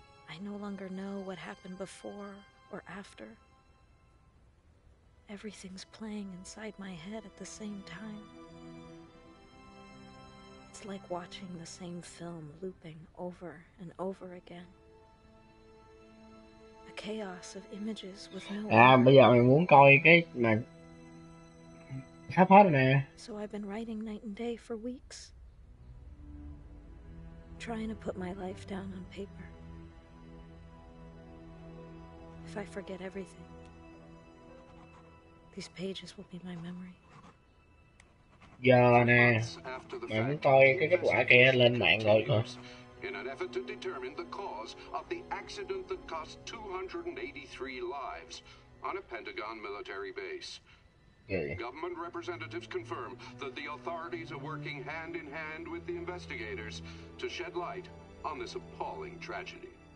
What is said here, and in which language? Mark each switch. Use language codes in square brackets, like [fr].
[en] I no longer know what happened before or after. Everything's playing inside my head at the same time. It's like watching the same film looping over and over again. A chaos of images with no order. [vi] À, bây giờ mình muốn coi cái này. Sắp hết rồi nè. [en] So I've been writing night and day for weeks. Trying to put my life down on paper. If I forget everything, these pages will be my memory. [vi] Giờ nè, mày muốn coi cái kết quả kia lên mạng rồi coi. [en] In an effort to determine the cause of the accident that cost 283 lives on a Pentagon military base. Government representatives confirm that the authorities are working hand in hand with the investigators to shed light on this appalling tragedy.